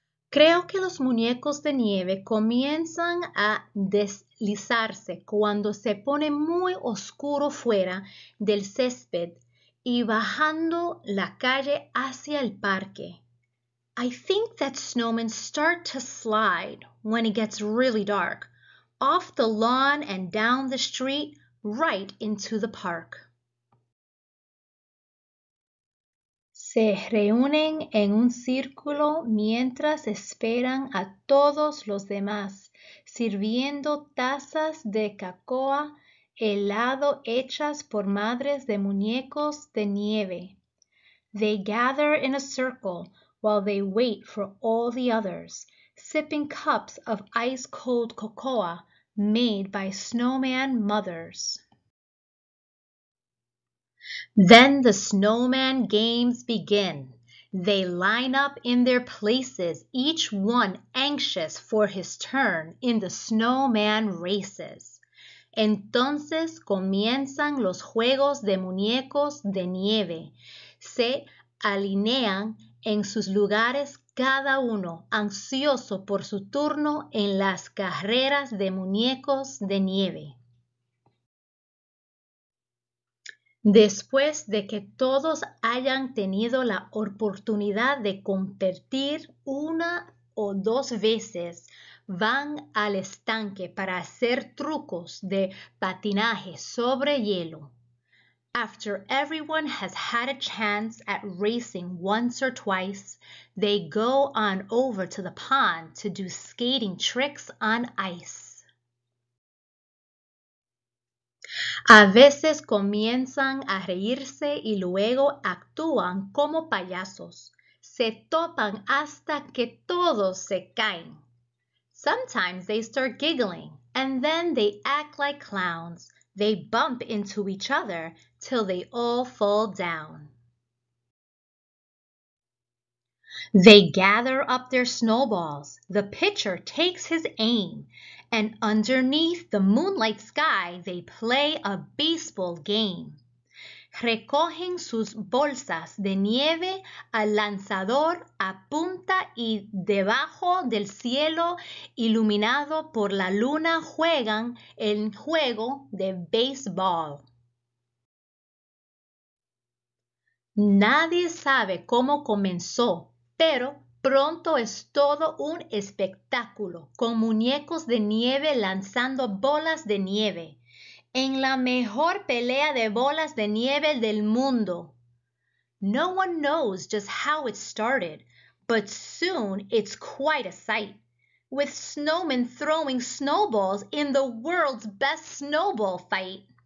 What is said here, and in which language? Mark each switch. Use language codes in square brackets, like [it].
[es] Creo que los muñecos de nieve comienzan a deslizarse cuando se pone muy oscuro fuera del césped y bajando la calle hacia el parque. [en] I think that snowmen start to slide when it gets really dark, off the lawn and down the street, right into the park. [es] Se reúnen en un círculo mientras esperan a todos los demás, sirviendo tazas de cacao helado hechas por madres de muñecos de nieve. [en] They gather in a circle while they wait for all the others, sipping cups of ice-cold cocoa made by snowman mothers. Then the snowman games begin. They line up in their places, each one anxious for his turn in the snowman races. [es] Entonces comienzan los juegos de muñecos de nieve. Se alinean en sus lugares cada uno, ansioso por su turno en las carreras de muñecos de nieve. Después de que todos hayan tenido la oportunidad de competir una o dos veces, van al estanque para hacer trucos de patinaje sobre hielo. [en] After everyone has had a chance at racing once or twice, they go on over to the pond to do skating tricks on ice. [es] A veces comienzan a reírse y luego actúan como payasos. Se topan hasta que todos se caen. [en] Sometimes they start giggling and then they act like clowns. They bump into each other till they all fall down. They gather up their snowballs. The pitcher takes his aim, and underneath the moonlight sky, they play a baseball game. [es] Recogen sus bolsas de nieve al lanzador apunta y debajo del cielo iluminado por la luna juegan el juego de béisbol. Nadie sabe cómo comenzó, pero pronto es todo un espectáculo con muñecos de nieve lanzando bolas de nieve. En la mejor pelea de bolas de nieve del mundo. [en] No one knows just how it started, but soon it's quite a sight. With snowmen throwing snowballs in the world's best snowball fight.